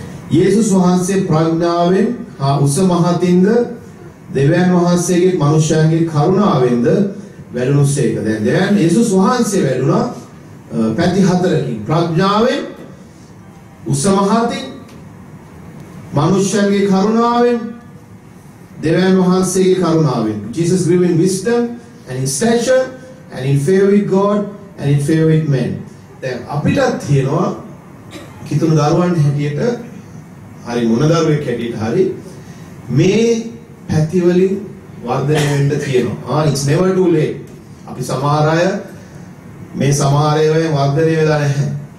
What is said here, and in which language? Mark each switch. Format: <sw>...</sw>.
<si>යේසුස් වහන්සේ ප්‍රඥාවෙන් හා උස මහතින්ද දෙවියන් වහන්සේගේ මනුෂ්‍යයන්ගේ කරුණාවෙන්ද වැඩුණුස්සේක. දැන් දෙවියන් යේසුස් වහන්සේ වැඩුණා පැති හතරකින්. ප්‍රඥාවෙන්, උස මහතින්, මනුෂ්‍යයන්ගේ කරුණාවෙන්, දෙවියන් වහන්සේගේ කරුණාවෙන්.</si> <en>Jesus grew in wisdom and in stature and in favor with God and in favor with men.</en> <si>දැන් අපිටත් තියෙනවා කිතුණු දරුවන් හැටියට හරි මොන දරුවෙක් හැටියට හරි මේ පැතිවලින් වර්ධනය වෙන්න තියෙනවා.</si> <en>It's never too late.</en> <si>අපි සමහර අය මේ සමහර අය වර්ධනය වෙලා නැහැ.</si>